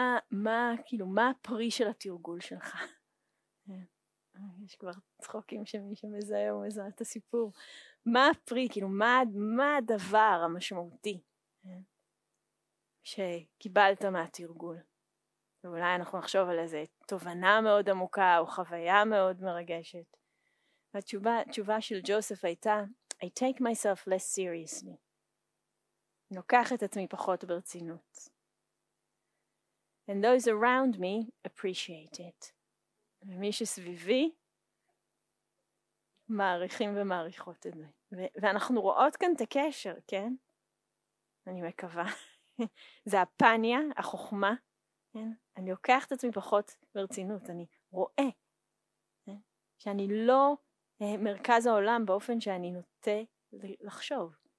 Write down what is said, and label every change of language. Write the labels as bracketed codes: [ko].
[he] מה, כאילו, מה הפרי של התרגול שלך? יש כבר צחוקים שמי שמזהה או מזהה את הסיפור. מה הפרי, כאילו, מה הדבר המשמעותי שקיבלת מהתרגול? ואולי אנחנו נחשוב על איזה תובנה מאוד עמוקה או חוויה מאוד מרגשת. התשובה של ג'וסף הייתה, [en] I take myself less seriously. [he] לוקח את עצמי פחות ברצינות. [en] And those around me appreciate it. [he] ומי שסביבי מעריכים ומעריכות את זה. ואנחנו רואות כאן את הקשר, כן? אני מקווה. זה הפניה, החוכמה. כן? אני לוקח את עצמי פחות ברצינות. אני רואה, כן? שאני לא מרכז העולם באופן שאני נוטה לחשוב.